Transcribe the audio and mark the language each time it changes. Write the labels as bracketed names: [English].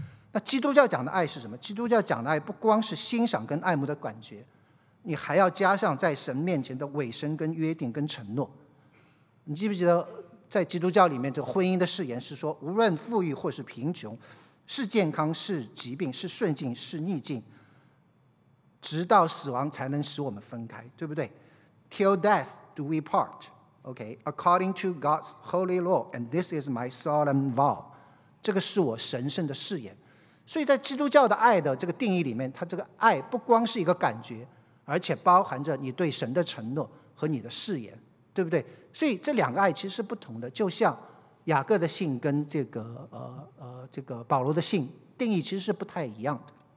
[Chinese] 那基督教讲的爱是什么？基督教讲的爱不光是欣赏跟爱慕的感觉，你还要加上在神面前的委身跟约定跟承诺。你记不记得在基督教里面，这个婚姻的誓言是说，无论富裕或是贫穷，是健康是疾病，是顺境是逆境，直到死亡才能使我们分开，对不对？ [English] Till death do we part, OK. According to God's holy law, and this is my solemn vow. [Chinese] 这个是我神圣的誓言。所以在基督教的爱的这个定义里面，它这个爱不光是一个感觉，而且包含着你对神的承诺和你的誓言，对不对？所以这两个爱其实是不同的，就像雅各的信跟这个保罗的信定义其实是不太一样的。